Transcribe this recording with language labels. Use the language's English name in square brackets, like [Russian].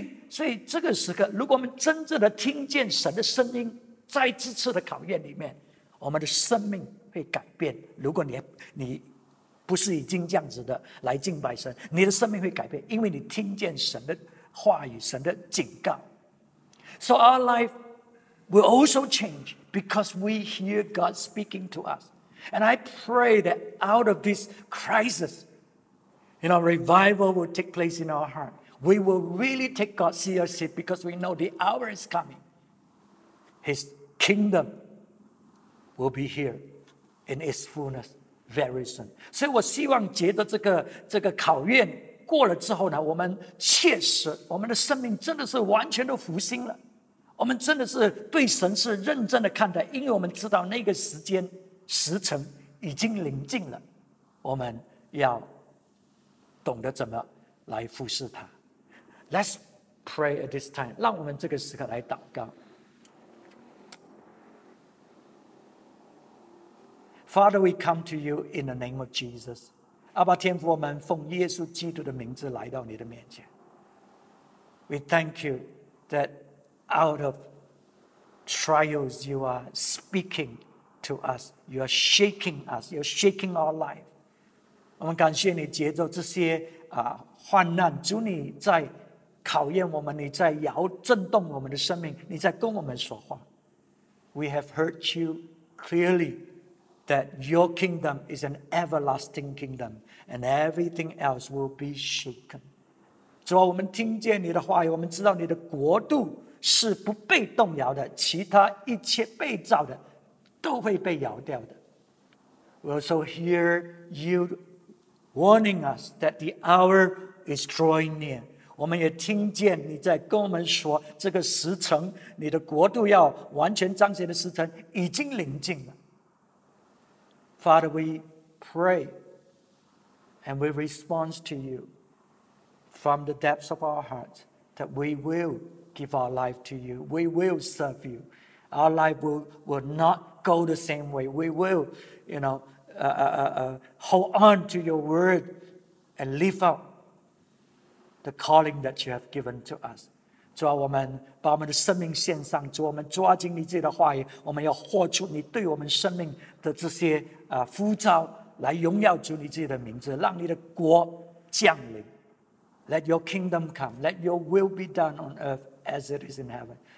[Chinese] 所以这个时刻，如果我们真正的听见神的声音，在这次的考验里面，我们的生命会改变。如果你不是已经这样子的来敬拜神，你的生命会改变，因为你听见神的话语、神的警告。 [English] So our life will also change because we hear God speaking to us. And I pray that out of this crisis, you know, revival will take place in our heart. We will really take God seriously because we know the hour is coming. His kingdom will be here in its fullness very soon. [Chinese] 所以我希望借着这个考验过了之后呢，我们确实我们的生命真的是完全都复兴了，我们真的是对神是认真的看待，因为我们知道那个时间时辰已经临近了，我们要懂得怎么来服侍他。 [English] Let's pray at this time. [Chinese] 让我们这个时刻来祷告。 [English] Father, we come to you in the name of Jesus. [Chinese] 阿爸天父，我们奉耶稣基督的名字来到你的面前。 [English] We thank you that out of trials you are speaking to us. You are shaking us. You are shaking our life. [Chinese] 我们感谢你藉着这些患难，主你在考验我们，你在摇震动我们的生命，你在跟我们说话。 [English] we have heard you clearly that your kingdom is an everlasting kingdom and everything else will be shaken. [Chinese] 主啊，我们听见你的话语，我们知道你的国度是不被动摇的，其他一切被造的都会被摇掉的。 [English] We also hear you warning us that the hour is drawing near. [Chinese] 我们也听见你在跟我们说，这个时辰，你的国度要完全彰显的时辰已经临近了。 [English] Father, we pray and we respond to you from the depths of our hearts that we will give our life to you. We will serve you. Our life will not go the same way. We will, you know,hold on to your word and live out the calling that you have given to us. [Chinese] 主啊，我们把我们的生命献上，主，我们抓紧你自己的话语，我们要活出你对我们生命的这些呼召，来荣耀主你自己的名字，让你的国降临。 [English] Let your kingdom come. Let your will be done on earth as it is in heaven.